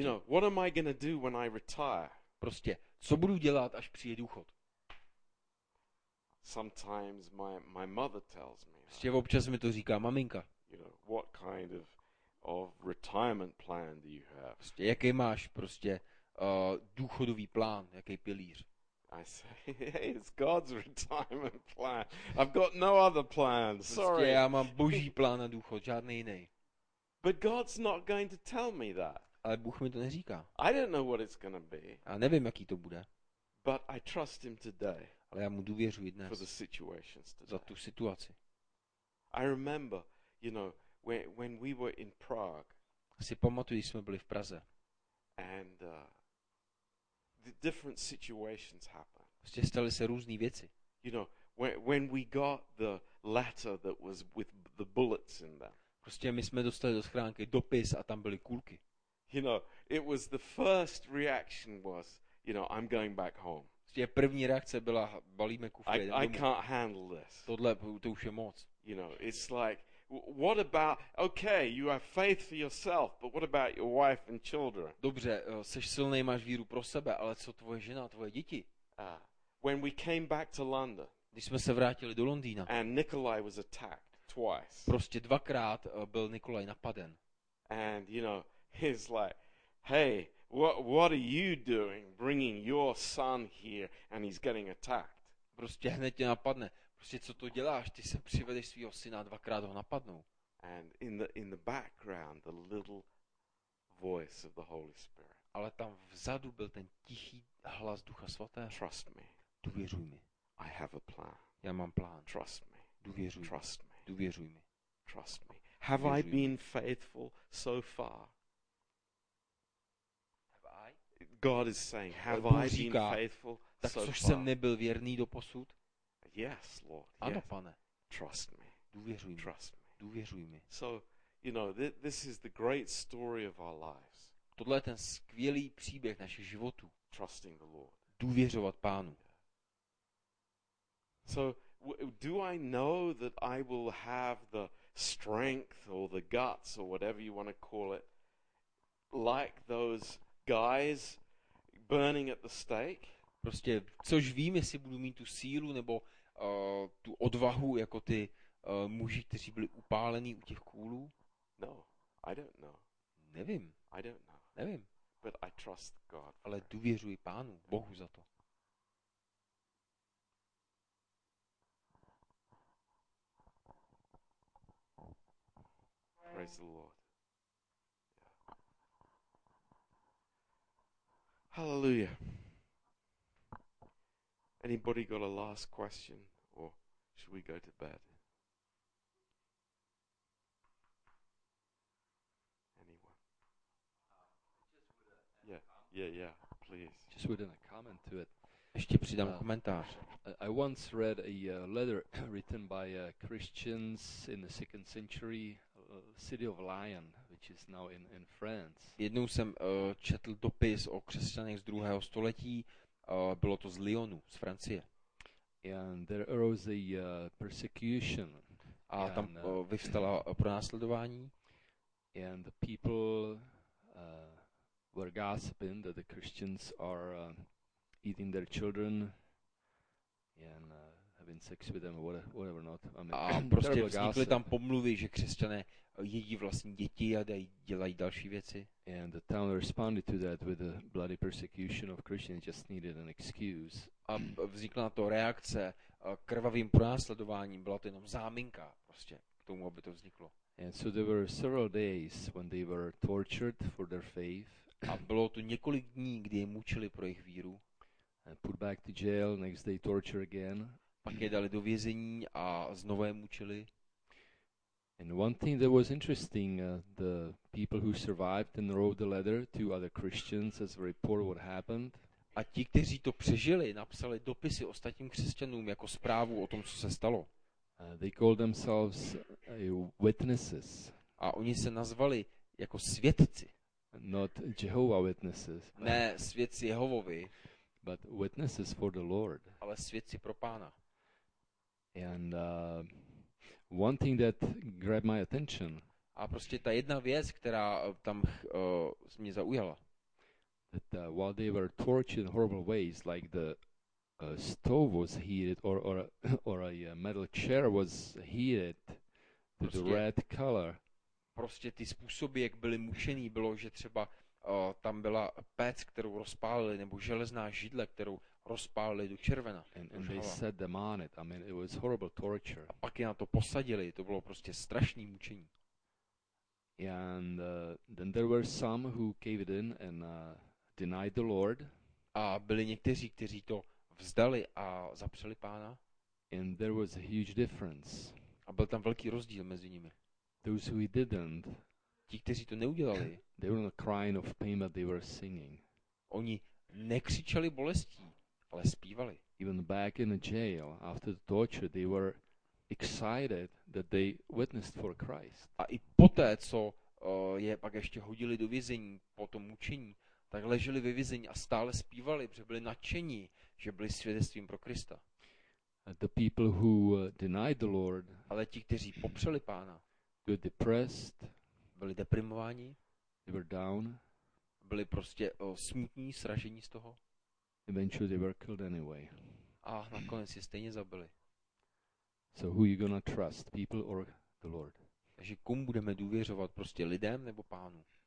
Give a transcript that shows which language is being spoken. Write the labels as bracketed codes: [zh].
[en] You know, what am I going to do when I retire? [cs] Prostě, co budu dělat, až přijde důchod? [en] Sometimes my mother tells me. [cs] Prostě občas mi to říká maminka. [en] You know, what kind of retirement plan do you have? [cs] Prostě, jaký máš prostě důchodový plán, jaký pilíř? [en] I say, hey, it's God's retirement plan. I've got no other plan. Sorry. [cs] Prostě, já mám boží plán na důchod, žádný jiný. [en] But God's not going to tell me that. [cs] Ale Bůh mi to neříká. [en] I don't know what it's going to be. [cs] A nevím, jaký to bude. [en] But I trust him today. [cs] Ale já mu důvěřuji dnes. [en] For the situations today. [cs] Za tu situaci. [en] I remember, you know, when we were in Prague. [cs] Si pamatuju, jsme byli v Praze. [en] And the different situations happened. [cs] Prostě staly se různé věci. [en] You know, when we got the letter that was with the bullets in them. [cs] Prostě my jsme dostali do schránky dopis a tam byly kulky. [en] You know, it was the first reaction was, you know, I'm going back home. [cs] Prostě první reakce byla, balíme kufry. [en] I can't handle this. [cs] Tohle, to už je moc. [en] You know, it's like, what about, okay, you have faith for yourself, but what about your wife and children? [cs] Dobře, seš silnej, máš víru pro sebe, ale co tvoje žena, tvoje děti? [en] When we came back to London. [cs] Když jsme se vrátili do Londýna. [en] And Nikolai was attacked twice. [cs] Prostě dvakrát byl Nikolaj napaden. [en] And, you know, he's like, hey, what are you doing bringing your son here and he's getting attacked? [cs] Prostě hned tě napadne. Prostě co to děláš? Ty se přivedeš svýho syna a dvakrát ho napadnou. [en] And in the background, the little voice of the Holy Spirit. [cs] Ale tam vzadu byl ten tichý hlas Ducha Svatého. [en] Trust me. [cs] Důvěřuj mi. [en] I have a plan. [cs] Já mám plán. [en] Trust me. [cs] Důvěřuj mi. [en] Trust me. [cs] Důvěřuj mi. [en] Trust me. Have I been faithful so far? Have I? God is saying, have I been faithful so far? [cs] Tak což jsem nebyl věrný doposud? [en] Yes, Lord. [cs] Ano, pane. [en] Trust me. [cs] Důvěřuj mi. [en] Trust me. [cs] Důvěřuj mi. [en] So, you know, this is the great story of our lives. [cs] Tohle je ten skvělý příběh našich životů. [en] Trusting the Lord. [cs] Důvěřovat Pánu. [en] So, do I know that I will have the strength or the guts or whatever you want to call it, like those guys burning at the stake? [cs] Prostě, což vím, jestli budu mít tu sílu nebo tu odvahu jako ty muži, kteří byli upálení u těch kůlů? [en] No, I don't know. [cs] Nevím. [en] I don't know. [cs] Nevím. [en] But I trust God. [cs] Ale důvěřuji Pánu, Bohu za to. [en] Praise the Lord. Hallelujah. Anybody got a last question, or should we go to bed? Anyone? Yeah, please. Just put in a comment to it. [cs] Ještě přidám komentář. [en] I once read a letter written by Christians in the 2nd century, city of Lyon, which is now in France. [cs] Jednou jsem četl dopis o křesťanech z 2. století, bylo to z Lyonu, z Francie. [en] And there arose a persecution. [cs] A tam vyvstala pronásledování. [en] And the people were gossiping that the Christians are eating their children and having sex with them, or whatever not. I mean, [cs] a prostě vznikly tam pomluvy, že křesťané jedí vlastní děti a dělají další věci. [en] And the town responded to that with a bloody persecution of Christians, just needed an excuse. [cs] A vznikla na to reakce krvavým pronásledováním, byla to jenom záminka prostě k tomu, aby to vzniklo. [en] And so there were several days when they were tortured for their faith. [cs] A bylo to několik dní, kdy je mučili pro jejich víru. [en] Put back to jail, next day torture again. [cs] Pak je dali do vězení a znovu je mučili. [en] And one thing that was interesting, the people who survived and wrote the letter to other Christians as a report what happened. [cs] A ti, kteří to přežili, napsali dopisy ostatním křesťanům jako zprávu o tom, co se stalo. [en] They called themselves witnesses. [cs] A oni se nazvali jako svědci. [en] Not Jehovah witnesses. [cs] Ne svědci Jehovovi. [en] But witnesses for the Lord. [cs] Ale svědci pro Pána. [en] And one thing that grabbed my attention. [cs] A prostě ta jedna věc, která tam mě zaujala. [en] That while they were tortured in horrible ways, like the stove was heated or a metal chair was heated to [cs] prostě, [en] the red color. [cs] Prostě ty způsoby, jak byli mučení, bylo, že třeba tam byla pec, kterou rozpálili, nebo železná židle, kterou rozpálili do červena. [en] And they set them on it. I mean, it was horrible torture. [cs] A pak je na to posadili, to bylo prostě strašné mučení. [en] And then there were some who gave it in and denied the Lord. [cs] A byli někteří, kteří to vzdali a zapřeli Pána. [en] And there was a huge difference. [cs] A byl tam velký rozdíl mezi nimi. [en] Those who didn't. [cs] Ti, kteří to neudělali. [en] They were not crying of pain, but they were singing. [cs] Oni nekřičeli bolestí, ale zpívali. [en] Even back in the jail after the torture, they were excited that they witnessed for Christ. [cs] A i poté, co je pak ještě hodili do vězení po tom mučení, tak leželi ve vězení a stále zpívali, protože byli nadšení, že byli svědectvím pro Krista. [en] The people who denied the Lord. [cs] Ale ti, kteří popřeli Pána. [en] Were depressed. [cs] Byli deprimováni. [en] They were down. [cs] Byli prostě smutní, sražení z toho. [en] Eventually they were killed anyway. [cs] A nakonec je stejně zabili. [en] So who you gonna trust, people or the Lord? [cs] Takže komu budeme důvěřovat, prostě lidem nebo Pánu?